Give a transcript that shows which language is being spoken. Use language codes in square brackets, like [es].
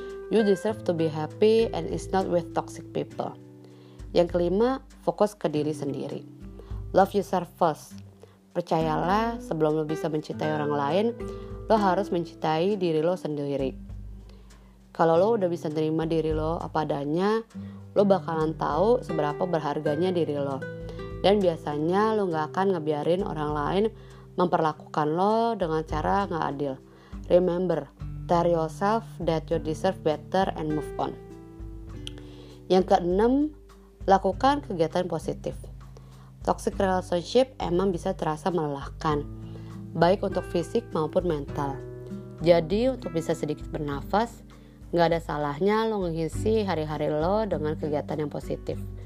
[en] You deserve to be happy and it's not with toxic people. [id] Yang kelima, fokus ke diri sendiri. [en] Love yourself first. [id] Percayalah, sebelum lo bisa mencintai orang lain, lo harus mencintai diri lo sendiri. Kalau lo udah bisa terima diri lo apa adanya, lo bakalan tahu seberapa berharganya diri lo. Dan biasanya lo gak akan ngebiarin orang lain memperlakukan lo dengan cara gak adil. [en] Remember, tell yourself that you deserve better and move on. [id] Yang keenam, lakukan kegiatan positif. Toxic relationship emang bisa terasa melelahkan, baik untuk fisik maupun mental. Jadi untuk bisa sedikit bernafas, gak ada salahnya lo ngisi hari-hari lo dengan kegiatan yang positif.